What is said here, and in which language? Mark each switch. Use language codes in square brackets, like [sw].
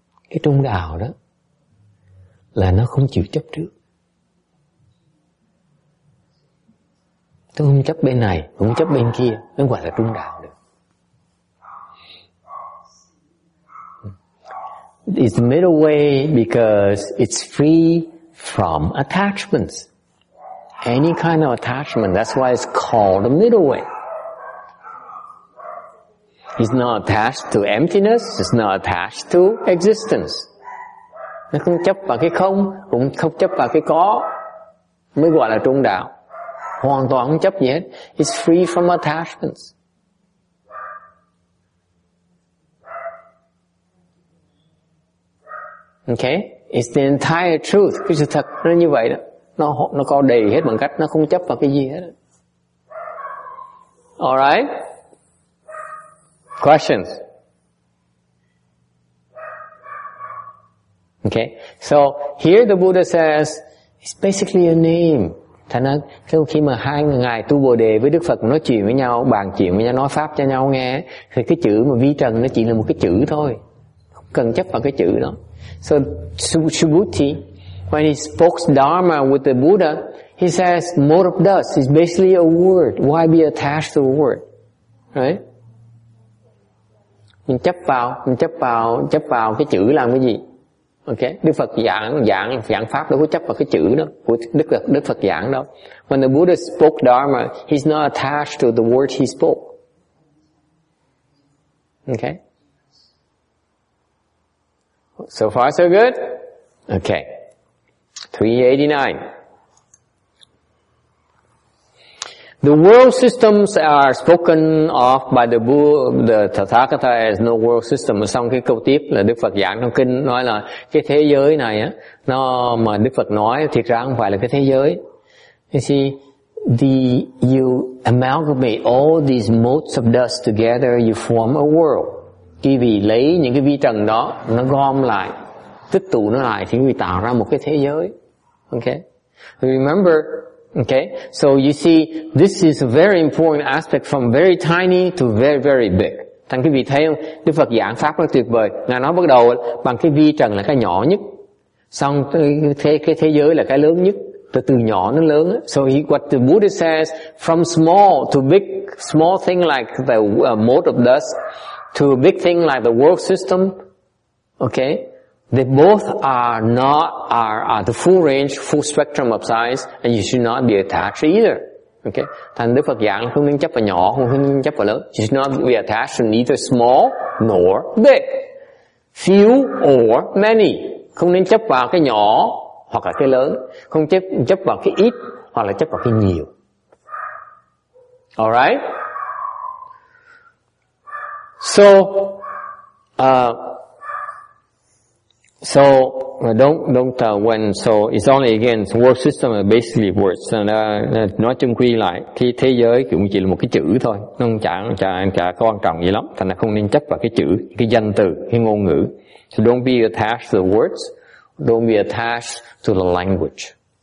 [vi] Cái trung đạo đó là nó không chịu chấp trước. Tôi không chấp bên này, không chấp bên kia, nó gọi là trung đạo được. [en] It's the middle way because it's free from attachments. Any kind of attachment, that's why it's called the middle way. It's not attached to emptiness, it's not attached to existence. [vi] Nó không chấp vào cái không, cũng không chấp vào cái có, mới gọi là trung đạo. Hoàn toàn không chấp gì hết. [en] It's free from attachments. Okay? It's the entire truth. [vi] Cái sự thật nó như vậy đó. Nó có đầy hết bằng cách nó không chấp vào cái gì hết. [en] Alright? Questions? Okay? So, here the Buddha says, it's basically a name. [vi] Thế nên khi mà hai ngài tu Bồ Đề với Đức Phật nói chuyện với nhau, bàn chuyện với nhau, nói pháp cho nhau nghe, thì cái chữ mà vi trần nó chỉ là một cái chữ thôi, không cần chấp vào cái chữ đó. [en] So Subhuti, when he spoke Dharma with the Buddha, he says mode of dust is basically a word. Why be attached to a word, right? [vi] Mình chấp vào cái chữ làm cái gì? Okay. Đức Phật giảng pháp đâu có chấp vào cái chữ đó của Đức Phật giảng đâu. [en] When the Buddha spoke Dharma, he's not attached to the word he spoke. Okay. So far so good. Okay. 389. The world systems are spoken of by the Buddha, the Tathagata as no world system. [vi] Xong cái câu tiếp là Đức Phật giảng trong kinh nói là cái thế giới này á, nó mà Đức Phật nói thiệt ra không phải là cái thế giới. [en] You see, you amalgamate all these motes of dust together, you form a world. [vi] Khi vì lấy những cái vi trần đó, nó gom lại, tích tụ nó lại thì vì tạo ra một cái thế giới. [en] Okay? Remember, okay, so you see, this is a very important aspect from very tiny to very, very big. [vi] Thành cái vị thấy không? Đức Phật giảng pháp rất tuyệt vời. Ngài nói bắt đầu bằng cái vi trần là cái nhỏ nhất. Xong cái thế giới là cái lớn nhất. Từ nhỏ nó lớn. [en] So what the Buddha says, from small to big, small thing like the mote of dust, to a big thing like the world system, okay, they both are the full range, full spectrum of size, and you should not be attached either. Okay? [vi] Thành Đức Phật giảng không nên chấp vào nhỏ, không nên chấp vào lớn. [en] You should not be attached to neither small nor big. Few or many. [vi] Không nên chấp vào cái nhỏ hoặc là cái lớn. Không chấp vào cái ít hoặc là chấp vào cái nhiều. [en] Alright? So well, don't when so it's only again the word system basically words and [vi] nói chung quy lại cái thế giới cũng chỉ là một cái chữ thôi, nó chả quan trọng gì lắm, thành ra không nên chấp vào cái chữ, cái danh từ, cái ngôn ngữ. [en] So don't be attached to the words, don't be attached to the language.